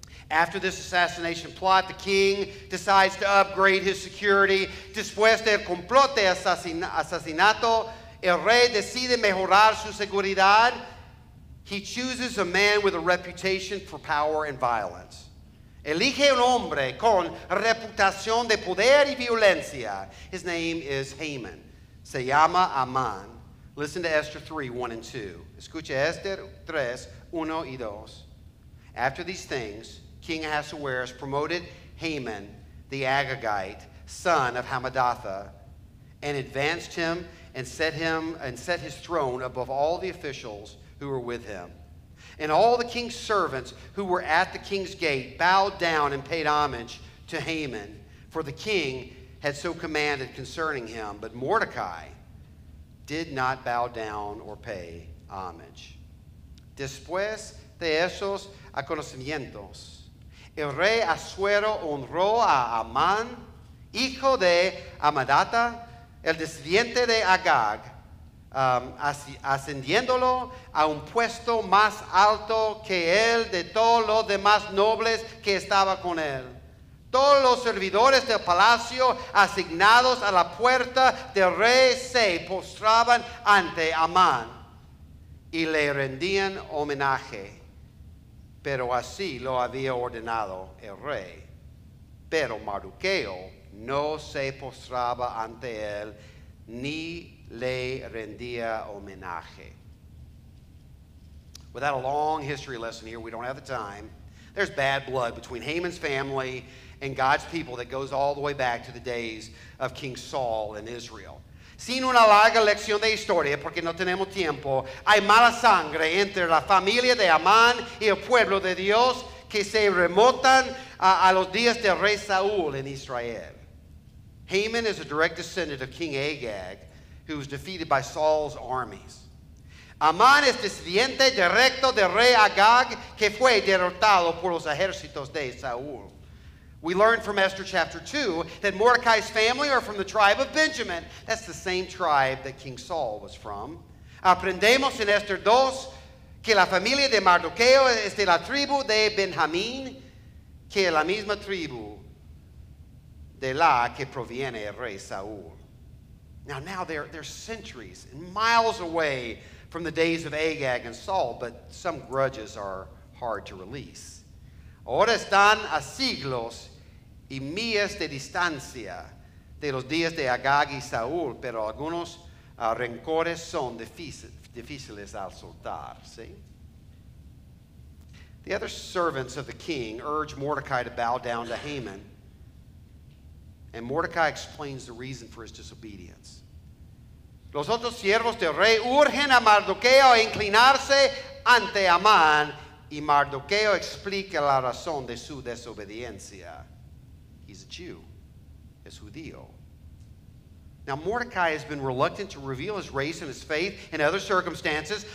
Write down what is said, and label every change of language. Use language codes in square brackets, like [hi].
[en] After this assassination plot, the king decides to upgrade his security. [es] Después del complot de asesinato, el rey decide mejorar su seguridad. [en] He chooses a man with a reputation for power and violence. [es] Elige un hombre con reputación de poder y violencia. [en] His name is Haman. [es] Se llama Amán. [en] Listen to Esther 3, 1 and 2. [es] Escucha Esther 3, 1 y 2. [en] After these things, King Ahasuerus promoted Haman, the Agagite, son of Hammedatha, and advanced him and set his throne above all the officials who were with him. And all the king's servants who were at the king's gate bowed down and paid homage to Haman, for the king had so commanded concerning him. But Mordecai did not bow down or pay homage. [es] Después de esos acontecimientos, el rey Asuero honró a Amán, hijo de Hammedatha, el descendiente de Agag, ascendiéndolo a un puesto más alto que él de todos los demás nobles que estaba con él. Todos los servidores del palacio asignados a la puerta del rey se postraban ante Amán y le rendían homenaje, pero así lo había ordenado el rey. Pero Mardoqueo no se postraba ante él ni le rendía homenaje. [en] Without a long history lesson here, we don't have the time. There's bad blood between Haman's family and God's people that goes all the way back to the days of King Saul in Israel. [es] Sin una larga lección de historia, porque no tenemos tiempo, hay mala sangre entre la familia de Amán y el pueblo de Dios que se remontan a los días del rey Saúl en Israel. [en] Haman is a direct descendant of King Agag, who was defeated by Saul's armies. [es] Amán es descendiente directo del rey Agag, que fue derrotado por los ejércitos de Saúl. [en] We learn from Esther chapter 2 that Mordecai's family are from the tribe of Benjamin. That's the same tribe that King Saul was from. [es] Aprendemos en Esther 2 que la familia de Mardoqueo es de la tribu de Benjamín, que es la misma tribu de la que proviene el rey Saúl. [en] Now they're centuries and miles away from the days of Agag and Saul, but some grudges are hard to release. [es] Ahora están a siglos y millas de distancia de los días de Agag y Saúl, pero algunos rencores son difíciles al soltar. [en] See? The other servants of the king urge Mordecai to bow down to Haman. And Mordecai explains the reason for his disobedience. [es] Los otros siervos del rey urgen a Mardoqueo a inclinarse ante Amán, y Mardoqueo explica la razón de su desobediencia. [en] He's a Jew. [es] Es judío. [en] Now Mordecai has been reluctant to reveal his race and his faith in other circumstances.